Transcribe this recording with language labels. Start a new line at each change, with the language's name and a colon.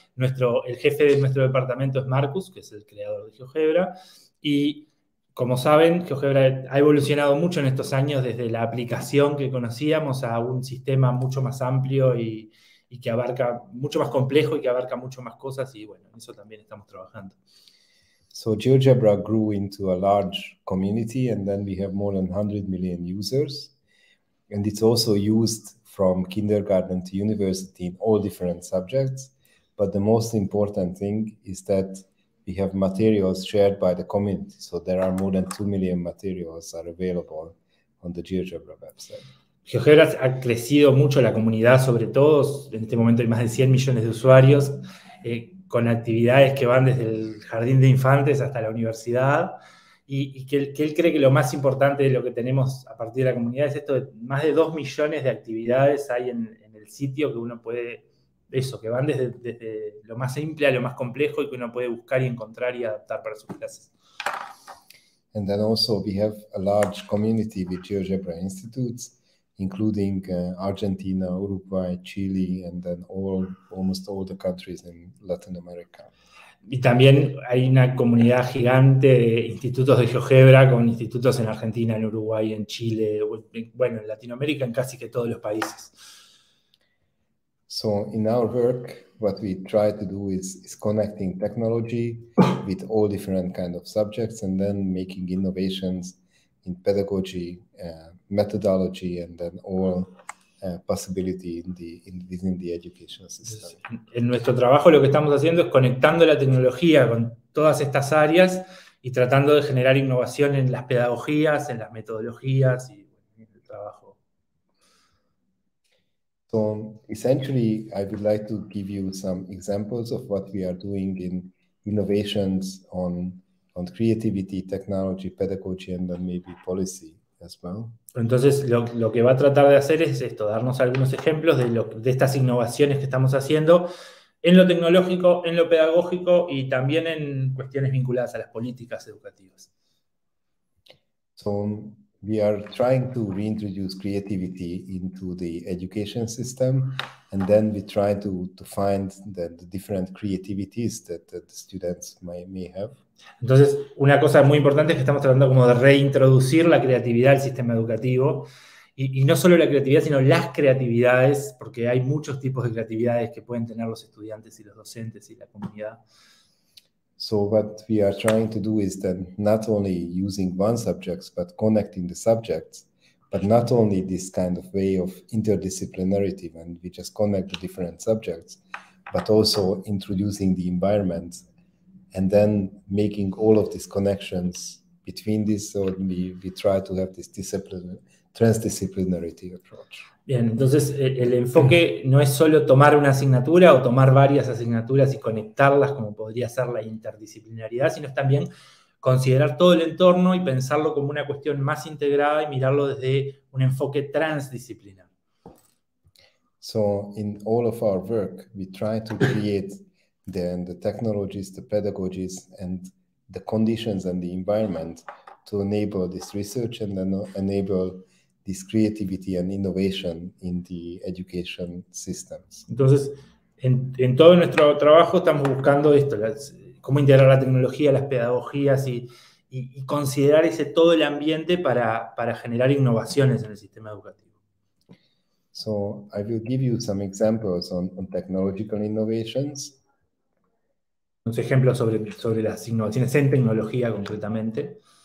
Spanish: El jefe de nuestro departamento es Marcus, que es el creador de GeoGebra. Y, como saben, GeoGebra ha evolucionado mucho en estos años, desde la aplicación que conocíamos a un sistema mucho más amplio y que abarca mucho más complejo y que abarca mucho más cosas. Y, bueno, en eso también estamos trabajando.
English: So GeoGebra grew into a large community, and then we have more than 100 million users. And it's also used from kindergarten to university in all different subjects. But the most important thing is that we have materials shared by the community. So there are more than 2 million materials are available on the GeoGebra website.
Spanish: GeoGebra ha crecido mucho, la comunidad sobre todo. En este momento hay más de 100 millones de usuarios con actividades que van desde el jardín de infantes hasta la universidad. Y que él cree que lo más importante de lo que tenemos a partir de la comunidad es esto, de más de 2 millones de actividades hay en el sitio que uno puede, eso, que van desde lo más simple a lo más complejo y que uno puede buscar y encontrar y adaptar para sus clases.
English: And then also we have a large community with GeoGebra institutes, including Argentina, Uruguay, Chile, and then almost all the countries in Latin America.
Spanish: Y también hay una comunidad gigante de institutos de GeoGebra, con institutos en Argentina, en Uruguay, en Chile, bueno, en Latinoamérica, en casi que todos los países.
English: So in our work, what we try to do is connecting technology with all different kind of subjects, and then making innovations in pedagogy, methodology, and then all possibility within the education system.
Spanish: En nuestro trabajo lo que estamos haciendo es conectando la tecnología con todas estas áreas y tratando de generar innovación en las pedagogías, en las metodologías y en el trabajo.
English: So essentially I would like to give you some examples of what we are doing in innovations on creativity, technology, pedagogy, and then maybe policy as well.
Spanish: Entonces, lo que va a tratar de hacer es esto, darnos algunos ejemplos de estas innovaciones que estamos haciendo en lo tecnológico, en lo pedagógico y también en cuestiones vinculadas a las políticas educativas.
English: So, we are trying to reintroduce creativity into the education system, and then we try to find the different creativities that the students may have.
Spanish: Entonces, una cosa muy importante es que estamos tratando como de reintroducir la creatividad al sistema educativo, y no solo la creatividad, sino las creatividades, porque hay muchos tipos de creatividades que pueden tener los estudiantes y los docentes y la comunidad.
English: So what we are trying to do is that not only using one subject, but connecting the subjects, but not only this kind of way of interdisciplinarity, when we just connect the different subjects, but also introducing the environment, and then making all of these connections between this. So we try to have this transdisciplinarity approach.
Spanish: Bien, entonces el enfoque no es solo tomar una asignatura o tomar varias asignaturas y conectarlas como podría ser la interdisciplinaridad, sino es también considerar todo el entorno y pensarlo como una cuestión más integrada y mirarlo desde un enfoque transdisciplinar.
English: So in all of our work, we try to create the technologies, the pedagogies, and the conditions and the environment to enable this research and then enable this creativity and innovation in the education systems.
Spanish: Entonces, en todo nuestro trabajo estamos buscando esto, cómo integrar la tecnología, las pedagogías y considerar ese todo el ambiente para generar innovaciones en el sistema educativo.
English: So I will give you some examples on technological innovations.
Spanish: Un ejemplo sobre las innovaciones en tecnología concretamente.